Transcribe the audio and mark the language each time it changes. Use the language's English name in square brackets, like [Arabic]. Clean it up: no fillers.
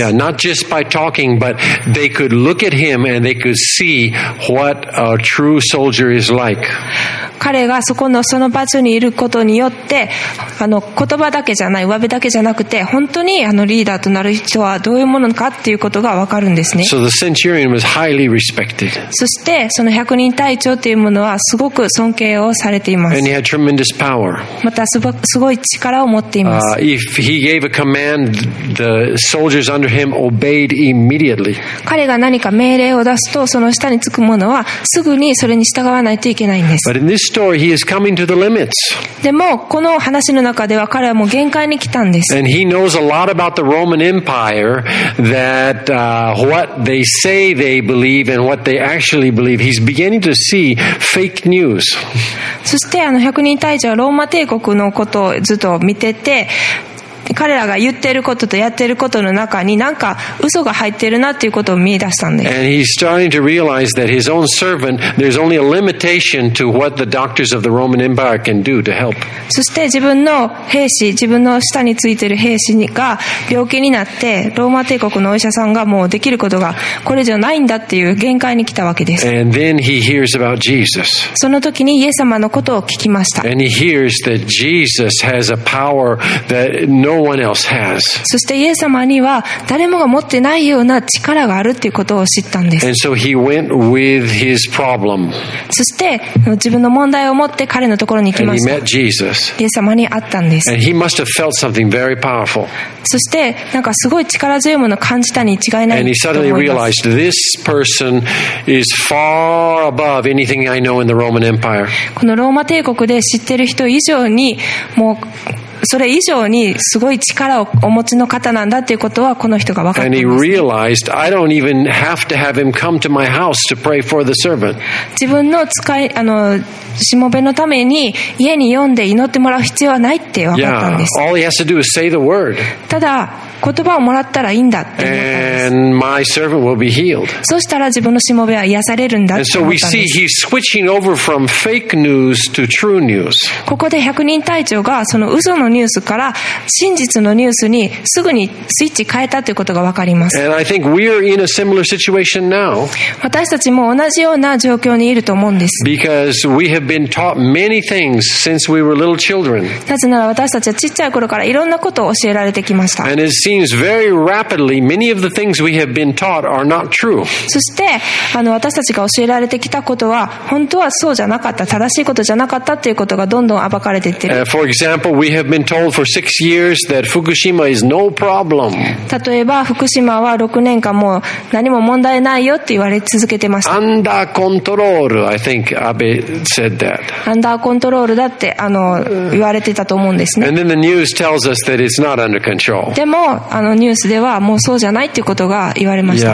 [English] Yeah, not just by talking, but they could look at him and they could see what a true soldier is like. [Japanese] 彼がその場所にいることによって、言葉だけじゃない、上辺だけじゃなくて、本当にリーダーとなる人はどういうものかっていうことが分かるんですね。 [English] So the centurion was highly respected. [Japanese] そしてその百人隊長というものはすごく尊敬をされています。 [English] And he had tremendous power. [Japanese] またすごい力を持っています。 [English] If he gave a command, theSoldiers under him obeyed immediately. [Japanese] 彼が何か命令を出すと、その下につく者はすぐにそれに従わないといけないんです。 [English] But in this story, he is coming to the limits. [Japanese] でもこの話の中では彼はもう限界に来たんです。 [English] And he knows a lot about the Roman Empire, that what they say they believe and what they actually believe. He's beginning to see fake news. [Japanese] そして百人隊長はローマ帝国のことをずっと見てて、彼らが言っていることとやっていることの中に何か嘘が入っているなということを見出したんです。 [English] And he's starting to realize that his own servant, there's only a limitation to what the doctors of the Roman Empire can do to help. [Japanese] そして自分の兵士、自分の下についている兵士が病気になって、ローマ帝国のお医者さんがもうできることがこれ以上ないんだっていう限界に来たわけです。 [English] And then he hears about Jesus. [Japanese] その時にイエス様のことを聞きました。 [English] And he hears that Jesus has a power that no one else has. [Japanese] そしてイエス様には誰もが持ってないような力があるということを知ったんです。 [English] And so he went with his problem. [Japanese] そして自分の問題を持って彼のところに行きました。 [English] And he met Jesus. [Japanese] イエス様に会ったんです。 [English] And he must have felt something very powerful. [Japanese] そしてなんかすごい力強いものを感じたに違いないと思います。 [English] And he suddenly realized this person is far above anything I know in the Roman Empire. [Japanese] このローマ帝国で知ってる人以上にもうそれ以上にすごい力をお持ちの方なんだということはこの人が分かったんです。 [English] And he realized, I don't even have to have him come to my house to pray for the servant. [Japanese] 自分の使い、しもべのために家に呼んで祈ってもらう必要はないって分かったんです。 [English] Yeah, all he has to do is say the word. [Japanese] ただ、言葉をもらったらいいんだって思ったんです。 [English] And my servant will be healed. [Japanese] そしたら自分のしもべは癒されるんだって思ったんです。 [English] And so we see he's switching over from fake news to true news. [Japanese] ここで百人隊長がその嘘のニュースから真実のニュースにすぐにスイッチ変えたということが分かります。 [English] And I think we are in a similar situation now. [Japanese] 私たちも同じような状況にいると思うんです。 [English] Because we have been taught many things since we were little children. [Japanese] なぜなら私たちはちっちゃい頃からいろんなことを教えられてきました。 [English] And it seems very rapidly many of the things we have been taught are not true. [Japanese] そして私たちが教えられてきたことは本当はそうじゃなかった、正しいことじゃなかったということがどんどん暴かれていってる。 [English] For example, we have been told for 6 years that Fukushima is no problem. [Japanese] 例えば福島は6年間もう何も問題ないよって言われ続けてました。 [English] Under control, I think Abe said that. [Japanese] Under control だって言われてたと思うんですね。 [English] And then the news tells us that it's not under control. [Japanese] でもニュースではもうそうじゃないっていうことが言われました。